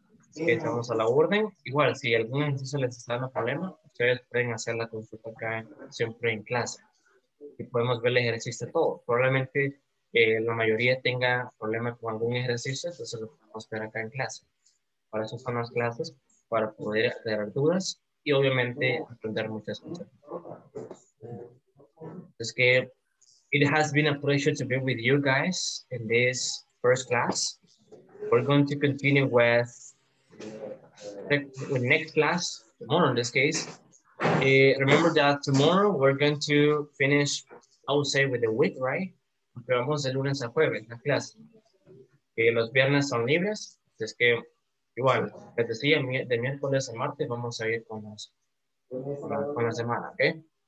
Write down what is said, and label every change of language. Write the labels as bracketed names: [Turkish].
[Spanish] Sí, estamos a la orden. Igual, si algún ejercicio les está dando problema, ustedes pueden hacer la consulta acá siempre en clase. Y podemos ver el ejercicio todo. Probablemente la mayoría tenga problemas con algún ejercicio, entonces lo podemos ver acá en clase. Para eso son las clases, para poder aclarar dudas y obviamente aprender muchas cosas. Es que [English] it has been a pleasure to be with you guys in this first class. We're going to continue with the next class, tomorrow in this case. Remember that tomorrow we're going to finish, I would say, with the week, right? [Spanish] Pero vamos de lunes a jueves, la clase. Los viernes son libres, es que igual, les decía, de miércoles a martes vamos a ir con la semana, ¿ok?